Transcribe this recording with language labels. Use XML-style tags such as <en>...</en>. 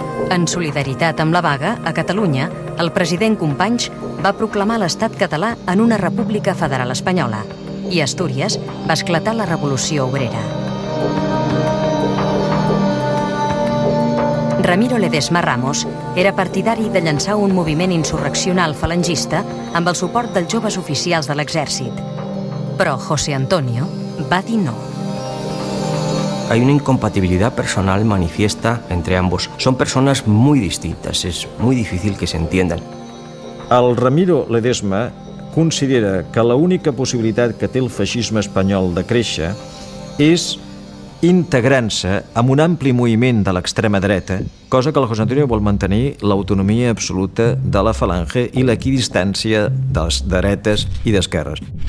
<ca>En solidaritat amb la vaga, a Catalunya, el president Companys va proclamar l'Estat català en una república federal espanyola i a Astúries va esclatar la revolució obrera. Ramiro Ledesma Ramos era partidari de llançar un moviment insurreccional falangista amb el suport dels joves oficials de l'exèrcit. Però José Antonio va dir no.</ca> <es>Hay una incompatibilidad personal manifiesta entre ambos. Son personas muy distintas, es muy difícil que se entiendan.</es> <ca>El Ramiro Ledesma considera que l'única possibilitat que té el feixisme espanyol de créixer és integrant-se amb un ampli moviment de l'extrema dreta, cosa que el José Antonio vol mantenir l'autonomia absoluta de la Falange i l'equidistància de les dretes i d'esquerres.</ca>